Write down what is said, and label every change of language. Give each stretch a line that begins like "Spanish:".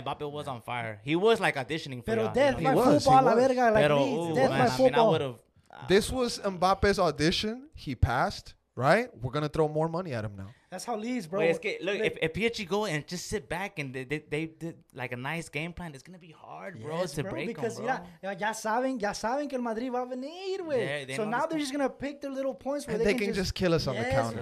English: Mbappe was on fire. He was, like, auditioning for This was Mbappe's audition. He passed. Right? We're going to throw more money at him now. That's how Leeds, bro. If PSG go and just sit back and they did like a nice game plan, it's going to be hard, bro,
Spanish: Ya saben que el Madrid va a venir, güey.
English: So now they're just going to pick their little points where they can just kill us on the counter.